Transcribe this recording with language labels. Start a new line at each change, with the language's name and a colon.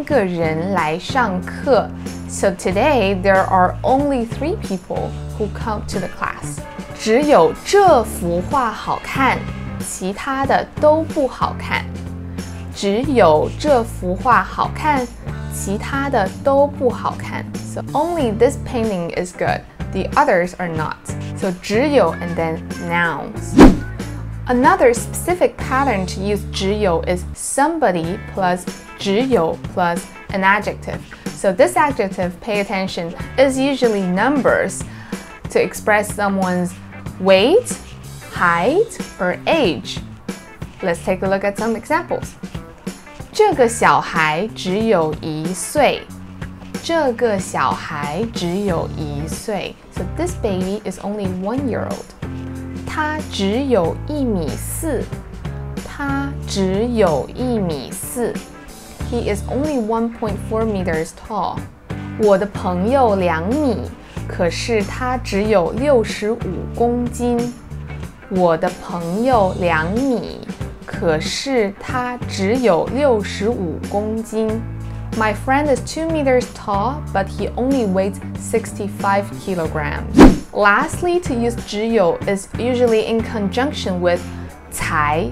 Chinese: 今天只有三个人来上课.
English: So today, there are only three people who come to the class.
Chinese: 只有这幅画好看, 其他的都不好看. 只有这幅画好看, 其他的都不好看.
English: So only this painting is good, the others are not. So 只有 and then nouns. Another specific pattern to use 只有 is somebody plus 只有 plus an adjective. So this adjective, pay attention, is usually numbers to express someone's weight, height, or age. Let's take a look at some examples.
Chinese: 这个小孩只有一岁. 这个小孩只有一岁.
English: So this baby is only 1 year old.
Chinese: 他只有一米四.他只有一米四.
English: He is only 1.4 meters tall.
Chinese: 我的朋友2米, 可是他只有65公斤. 我的朋友2米, 可是他只有65公斤.
English: My friend is 2 meters tall, but he only weighs 65 kilograms. Lastly, to use 只有 is usually in conjunction with 才.